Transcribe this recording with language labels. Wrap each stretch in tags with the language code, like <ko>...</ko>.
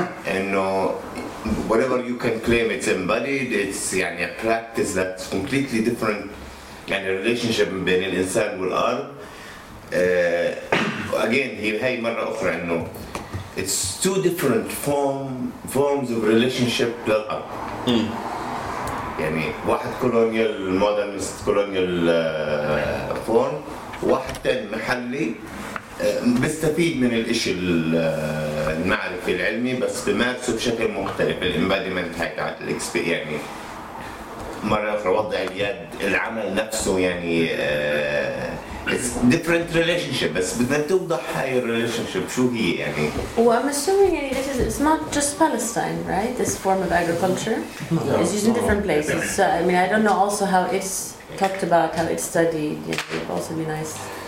<en>إنه whatever you can claim it's embodied it's يعني a practice that's completely different.</en> <ar>يعني relationship بين الإنسان والأرض again هي مرة أخرى إنه</ar> <en>it's two different forms of relationship</en> <ar>للأرض يعني واحد</ar> <en>colonial modernist colonial form</en> <ar>واحد تاني محلي بيستفيد من الإشي المعرفي العلمي بس بمارسه بشكل مختلف embodiment هاي تاعت الإكسبيرينس يعني مرة أخرى وضع اليد العمل نفسه يعني</ar> <en>it's different relationship</en> <ar>بس بدنا توضح هاي relationship شو هي يعني</ar> <en>well I'm assuming it's not just Palestine right this form of agriculture is used in different places so I mean I don't know also how it's talked about how it's studied it would also be nice</en>